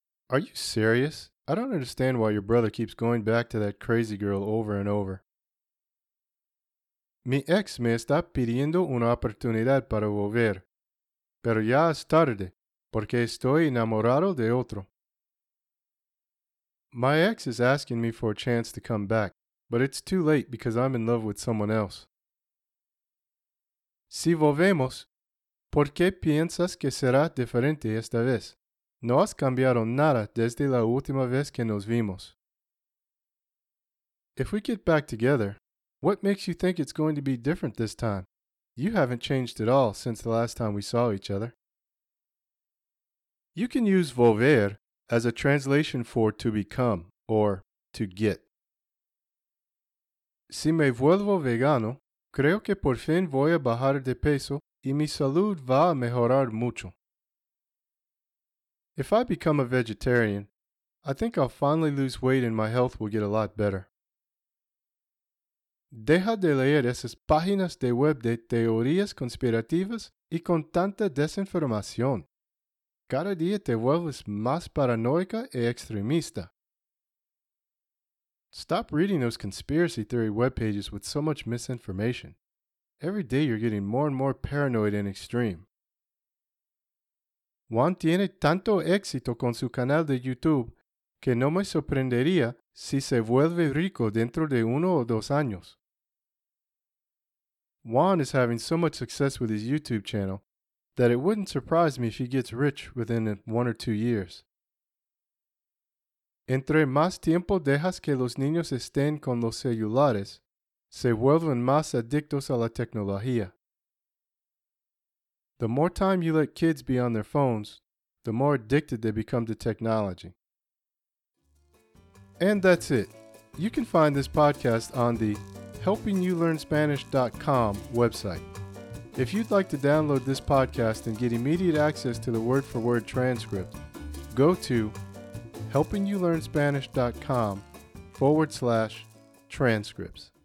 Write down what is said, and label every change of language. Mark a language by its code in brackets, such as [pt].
[en] Are you serious? I don't understand why your brother keeps going back to that crazy girl over and over. [es] Mi ex me está pidiendo una oportunidad para volver, pero ya es tarde porque estoy enamorado de otro. [en] My ex is asking me for a chance to come back, but it's too late because I'm in love with someone else. [es] Si volvemos, ¿por qué piensas que será diferente esta vez? No has cambiado nada desde la última vez que nos vimos. [en] If we get back together, what makes you think it's going to be different this time? You haven't changed at all since the last time we saw each other. You can use volver as a translation for to become or to get. [es] Si me vuelvo vegano, creo que por fin voy a bajar de peso y mi salud va a mejorar mucho. [en] If I become a vegetarian, I think I'll finally lose weight and my health will get a lot better. [es] Deja de leer esas páginas de web de teorías conspirativas y con tanta desinformación. Cada día te vuelves más paranoica e extremista. [en] Stop reading those conspiracy theory webpages with so much misinformation. Every day you're getting more and more paranoid and extreme. [es] Juan tiene tanto éxito con su canal de YouTube que no me sorprendería si se vuelve rico dentro de uno o dos años. [en] Juan is having so much success with his YouTube channel that it wouldn't surprise me if he gets rich within 1 or 2 years. [es] Entre más tiempo dejas que los niños estén con los celulares, se vuelven más adictos a la tecnología. [en] The more time you let kids be on their phones, the more addicted they become to technology. And that's it. You can find this podcast on the helpingyoulearnspanish.com website. If you'd like to download this podcast and get immediate access to the word-for-word transcript, go to helpingyoulearnspanish.com/transcripts.